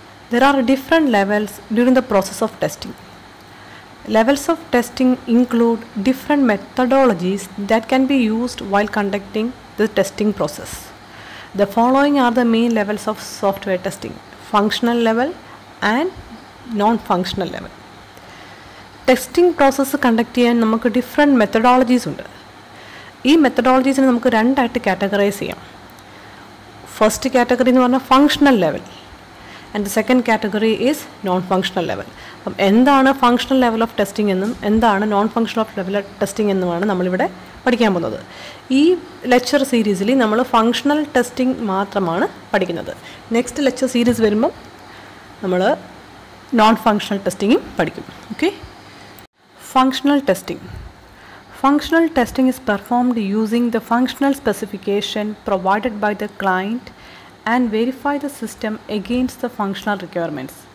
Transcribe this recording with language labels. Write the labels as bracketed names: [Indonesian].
[English] There are different levels during the process of testing. Levels of testing include different methodologies that can be used while conducting the testing process. The following are the main levels of software testing: functional level and non-functional level. Testing process conduct [Malayalam] cheyan namakku [English] different methodologies [Malayalam] undu. ഈ മെത്തഡോളജീസിനെ നമുക്ക് രണ്ടായിട്ട് categorise ചെയ്യാം. First category എന്ന് പറഞ്ഞാൽ functional level, [English] And second category is non functional level. [Malayalam] അപ്പം എന്താണ് functional level of testing എന്നും എന്താണ് non functional of level testing എന്നുമാണ് നമ്മളിവിടെ പഠിക്കാൻ പോകുന്നത്. ഈ ലെക്ചർ സീരീസിൽ നമ്മൾ ഫങ്ഷണൽ ടെസ്റ്റിംഗ് മാത്രമാണ് പഠിക്കുന്നത്. നെക്സ്റ്റ് ലെക്ചർ സീരീസ് വരുമ്പം നമ്മൾ നോൺ ഫങ്ഷണൽ ടെസ്റ്റിംഗും പഠിക്കും. Okay, functional testing. [English] Functional testing is performed using the functional specification provided by the client and verify the system against the functional requirements.